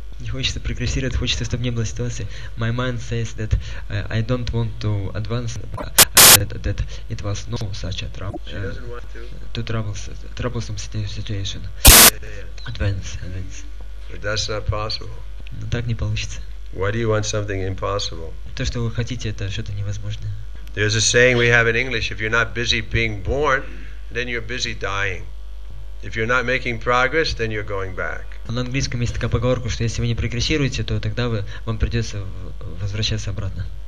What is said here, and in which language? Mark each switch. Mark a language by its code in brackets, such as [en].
[ru] Хочется прогрессировать, хочется, чтобы не было ситуации. [en] My mind says that I don't want to advance, that it was no such a troublesome situation. Advance. But that's not possible. [ru] Но так не получится. [en] Why do you want something impossible? [ru] То, что вы хотите, это что-то невозможное. [en] There's a saying we have in English: if you're not busy being born, then you're busy dying. If you're not making progress, then you're going back. [ru] На английском есть такая поговорка, что если вы не прогрессируете, то тогда вам придется возвращаться обратно.